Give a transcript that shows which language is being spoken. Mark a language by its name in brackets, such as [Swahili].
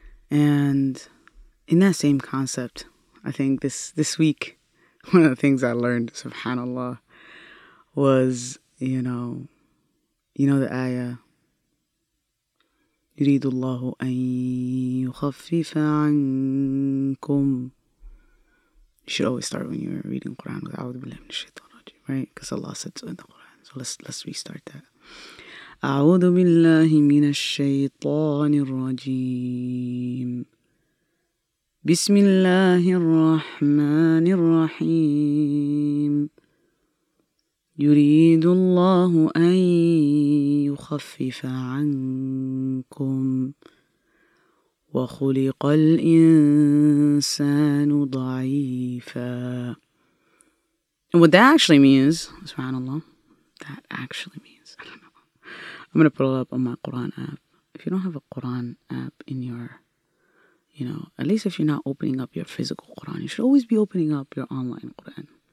[English] And in that same concept, I think this week, one of the things I learned, subhanAllah, was, you know the ayah, [Arabic] يُرِيدُ اللَّهُ أَن يُخَفِّفَ عَنْكُمْ. [English] You should always start when you're reading Quran with [Arabic] أعوذ بالله من الشيطان الرجيم, [English] right? Because Allah said so in the Quran. So let's restart that. [Arabic] أعوذ بالله من الشيطان الرجيم. بسم الله الرحمن الرحيم. يريد الله أن يخفف عنكم وخلق الإنسان ضعيفا. [English] And what that actually means, subhanAllah, that actually means, I don't know. I'm going to pull it up on my Quran app. If you don't have a Quran app in your, you know, at least if you're not opening up your physical Quran, you should always be opening up your online Quran.